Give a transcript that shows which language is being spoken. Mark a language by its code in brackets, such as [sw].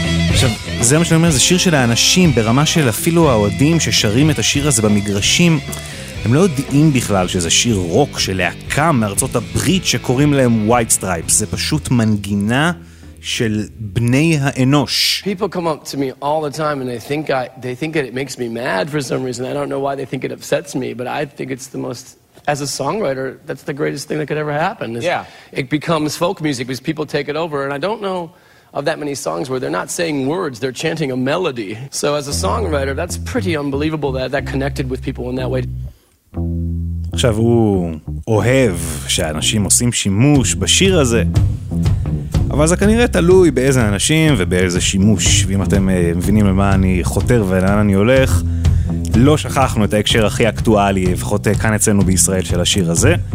[he] עכשיו, זה מה שאני אומר, זה שיר של האנשים, ברמה של אפילו האוהדים ששרים את השיר הזה במגרשים, הם לא יודעים בכלל שזה שיר רוק של להקה מארצות הברית שקוראים להם White Stripes. זה פשוט מנגינה של בני האנוש. [en] People come up to me all the time and they think that it makes me mad for some reason. I don't know why they think it upsets me, but I think it's the most, as a songwriter, that's the greatest thing that could ever happen. It becomes folk music because people take it over, and I don't know of that many songs where they're not saying words, they're chanting a melody. So as a songwriter, that's pretty unbelievable that connected with people in that way. [he] עכשיו, הוא אוהב שאנשים עושים שימוש בשיר הזה, אבל זה כנראה תלוי באיזה אנשים ובאיזה שימוש. ואם אתם מבינים למה אני חותר ולאן אני הולך, לא שכחנו את ההקשר הכי אקטואלי, לפחות כאן אצלנו בישראל, של השיר הזה.